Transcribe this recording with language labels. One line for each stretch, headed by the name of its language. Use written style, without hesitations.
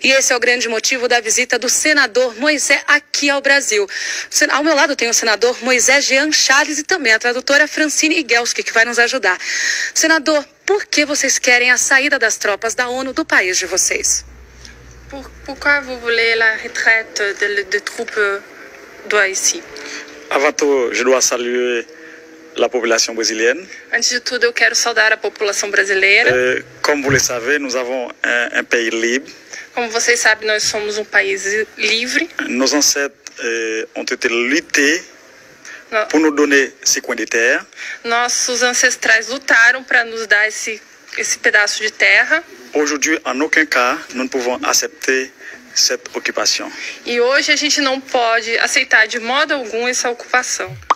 Portuguese: E esse é o grande motivo da visita do senador Moisés aqui ao Brasil. Ao meu lado tem o senador Moisés Jean Charles e também a tradutora Francine Igelski, que vai nos ajudar. Senador, por que vocês querem a saída das tropas da ONU do país de vocês?
French: Pourquoi vous voulez la retraite de troupes do Haïti? Avant tout, je dois saluer la population brésilienne.
Portuguese: Antes de tudo, eu quero saudar a população brasileira.
French: Como vous le savez, nous avons un pays libre.
Portuguese: Como vocês sabem, nós somos país livre.
French: Nos ancêtres ont été lutés pour nous donner ce coin de terre.
Portuguese: Nossos ancestrais lutaram para nos dar esse pedaço de terra.
French: Aujourd'hui, en aucun cas, nous ne pouvons accepter cette occupation.
Portuguese: E hoje a gente não pode aceitar de modo algum essa ocupação.